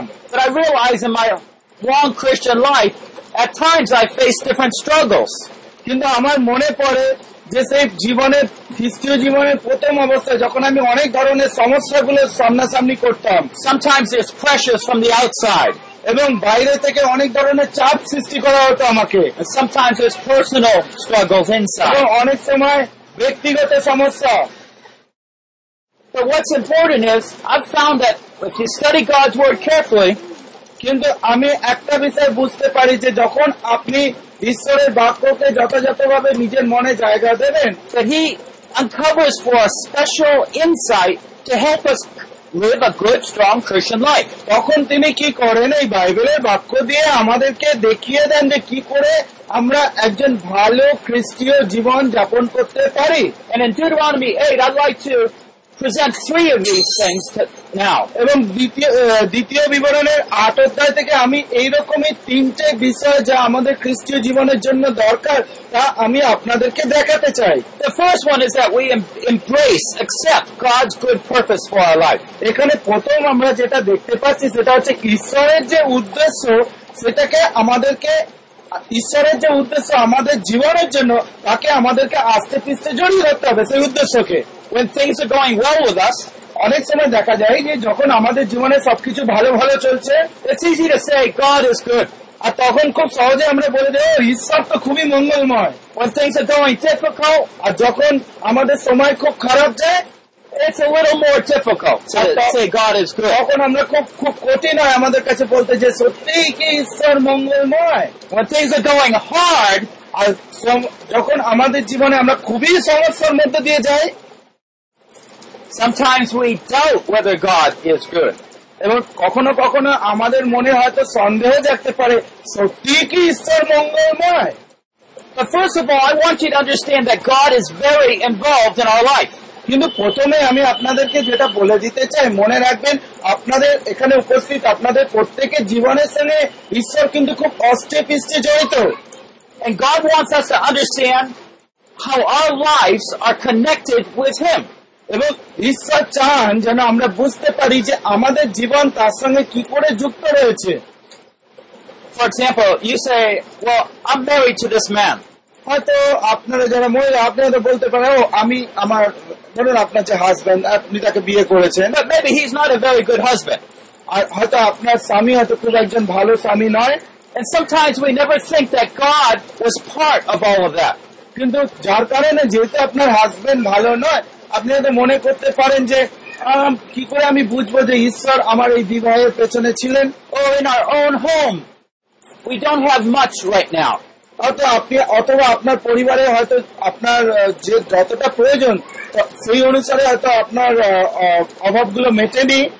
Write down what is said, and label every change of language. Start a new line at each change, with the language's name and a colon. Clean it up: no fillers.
English: But I realized in my wrong Christian life, at times I face different struggles.
Bangla: কিন্তু আমার মনে পড়ে যে সেই জীবনের খ্রিস্টীয় জীবনের প্রথম অবস্থায় যখন আমি অনেক ধরনের সমস্যা গুলোর সামনাসামনি করতাম,
English: sometimes it's pressures from the outside,
Bangla: এবং বাইরে থেকে অনেক ধরনের চাপ সৃষ্টি করা হতো আমাকে,
English: sometimes it's personal struggles inside,
Bangla: অনেক সময় ব্যক্তিগত সমস্যা.
English: But what's important is I've found that if you study God's word carefully,
Bangla: কিন্তু আমি একটা বিষয় বুঝতে পারি যে যখন আপনি ঈশ্বরের বাক্যকে যথাযথভাবে নিজের মনে জায়গা দেবেন,
English: he uncovers for us special insight to help us live a good strong Christian life,
Bangla: তখন তিনি কি করেন এই বাইবেলের বাক্য দিয়ে আমাদেরকে দেখিয়ে দেন যে কি করে আমরা একজন ভালো খ্রিস্টীয় জীবন যাপন করতে পারি.
English: And in Deuteronomy 8, I'd like to present three of these things now.
Bangla: এবং দ্বিতীয় বিবরণের আট অধ্যায় থেকে আমি এইরকমই তিনটে বিষয় যা আমাদের খ্রিস্টীয় জীবনের জন্য দরকার তা আমি আপনাদেরকে দেখাতে চাই.
English: The first one is that we embrace, accept God's good purpose for our life.
Bangla: এখানে প্রথম আমরা যেটা দেখতে পাচ্ছি সেটা হচ্ছে ঈশ্বরের যে উদ্দেশ্য সেটাকে আমাদেরকে ঈশ্বরের যে উদ্দেশ্য আমাদের জীবনের জন্য তাকে আমাদেরকে আস্তে পিস্তে জড়িয়ে ধরতে হবে সেই উদ্দেশ্যকে.
English: When things are going well with us,
Bangla: অনেক সময় দেখা যায় যে যখন আমাদের জীবনে সবকিছু ভালো ভালো চলছে,
English: it's easy to say God is good,
Bangla: আর তখন খুব সহজে আমরা বলে দেবো ঈশ্বর তো খুবই মঙ্গলময়.
English: When things are going difficult,
Bangla: আর যখন আমাদের সময় খুব খারাপ যায়,
English: it's a little more difficult to say God is good,
Bangla: তখন আমরা খুব কঠিন হয় আমাদের কাছে বলতে যে সত্যি কি ঈশ্বর মঙ্গলময়.
English: When things are going hard,
Bangla: আর যখন আমাদের জীবনে আমরা খুবই সমস্যার মধ্যে দিয়ে যাই,
English: sometimes we doubt whether God is good,
Bangla: এবং কখনো কখনো আমাদের মনে হয়তো সন্দেহ জাগতে পারে সত্যি কি ঈশ্বর মঙ্গলময়.
English: First of all, I want you to understand that God is very involved in our life.
Bangla: কিন্তু প্রথমে আমি আপনাদেরকে যেটা বলে দিতে চাই, মনে রাখবেন আপনাদের এখানে উপস্থিত আপনাদের প্রত্যেকের জীবনের সঙ্গে ঈশ্বর কিন্তু খুব অস্টে পিস্টে জড়িত.
English: And God wants us to understand how our lives are connected with Him.
Bangla: এবং ঈশ্বর চান যেন আমরা বুঝতে পারি যে আমাদের জীবন তার সঙ্গে কি করে যুক্ত রয়েছে.
English: For example, you say, well, I'm married to this man.
Bangla: হয়তো আপনারা যারা মহিলা আপনারা বলতে পারেন, আমি আমার ধরুন আপনার যে হাজব্যান্ড আপনি তাকে বিয়ে করেছেন,
English: but maybe he's not a very good husband.
Bangla: আর হয়তো আপনার স্বামী হয়তো খুব একজন ভালো স্বামী নয়.
English: And sometimes we never think that God was part of all of that.
Bangla: কিন্তু যার কারণে যেহেতু আপনার হাজব্যান্ড ভালো নয়, আপনি হয়তো মনে করতে পারেন যে কি করে আমি বুঝবো যে ঈশ্বর আমার এই বিবাহের পেছনে ছিলেন.
English: in our own home we don't have much right now,
Bangla: হয়তো আপনি অথবা আপনার পরিবারে হয়তো আপনার যে যতটা প্রয়োজন সেই অনুসারে হয়তো আপনার অভাবগুলো মেটেনি.